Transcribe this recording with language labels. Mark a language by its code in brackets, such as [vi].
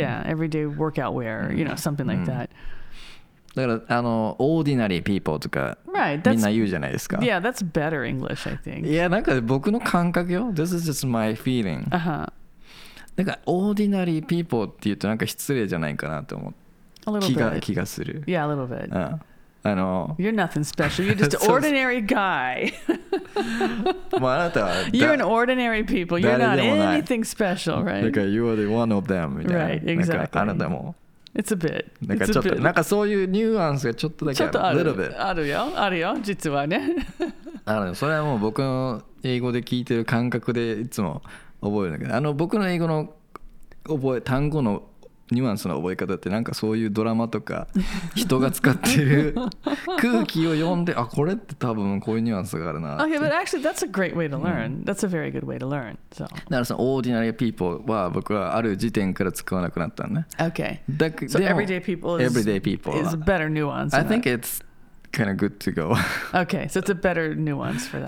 [en] Yeah, everyday workout wear, you know, something like that. [ja] だからordinary people とか、 [en] right. [ja] みんな言うじゃないですか。 [en] Yeah, that's better English, I think. [ja] いや、なんか僕の感覚よ。 [en] This is just my feeling. Uh-huh. [ja] なんか ordinary people って言うとなんか失礼じゃないかなと思う。気がする。 [en] Yeah, a little bit. You're nothing special. You're just an ordinary guy. [ja] まあ、あなたは。 [en] You're an ordinary people. You're not anything special, right? なんか you are the one of them. Right, exactly. [ja] なんかあなたも。 [en] It's a bit. [ja] なんかちょっと、なんかそういうニュアンスがちょっとだけある。 [en] Little bit. [ja] あるよ、あるよ、実はね。あるよ。それはもう僕の英語で聞いてる感覚でいつも覚えるんだけど、僕の英語の覚え、単語のニュアンスの覚え方ってなんかそういうドラマとか人が使ってる空気を読んで、あ、これって多分こういうニュアンスがあるなって。 [en] Okay, but actually that's a great way to learn. That's a very good way to learn. So. [ja] だからその ordinary people は僕はある時点から使わなくなったんね。 [en] Okay. So everyday people is, everyday people is a better nuance. I think it's kind of good to go. Okay, so it's a better nuance for that.